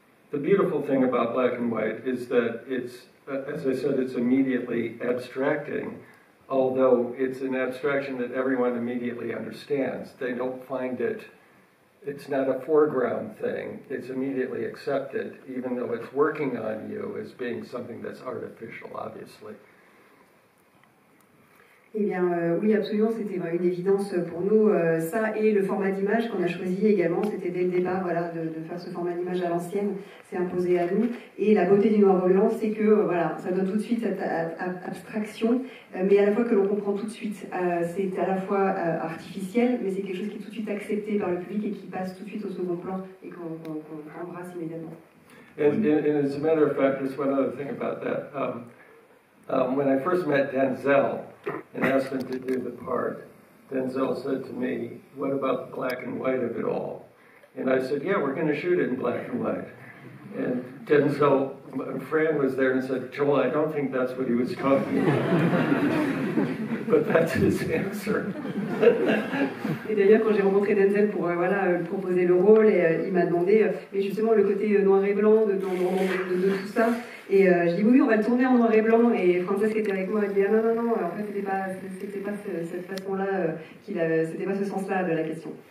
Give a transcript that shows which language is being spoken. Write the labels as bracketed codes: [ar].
[en] The beautiful thing about black and white is that it's, as I said, it's immediately abstracting, although it's an abstraction that everyone immediately understands. They don't find it, it's not a foreground thing. It's immediately accepted, even though it's working on you as being something that's artificial, obviously. [fr] Eh bien, oui, absolument, c'était une évidence pour nous. Ça et le format d'image qu'on a choisi également, c'était dès le départ, voilà, de faire ce format d'image à l'ancienne, c'est imposé à nous. Et la beauté du noir et blanc, c'est que, voilà, ça donne tout de suite cette abstraction, mais à la fois que l'on comprend tout de suite. C'est à la fois artificiel, mais c'est quelque chose qui est tout de suite accepté par le public et qui passe tout de suite au second plan et qu'on embrasse immédiatement. [en] And as a matter of fact, there's one other thing about that. When I first met Denzel and asked him to do the part, Denzel said to me, "What about the black and white of it all?" And I said, "Yeah, we're going to shoot it in black and white." And Denzel, Fran was there and said, "Joel, I don't think that's what he was talking about." But that's his answer. [fr] Et d'ailleurs, quand j'ai rencontré Denzel pour voilà proposer le rôle, et il m'a demandé, mais justement le côté noir et blanc de tout ça. Et je dis oui, on va le tourner en noir et blanc. Et Frances qui était avec moi, elle dit ah, non, en fait, c'était pas ce sens-là de la question.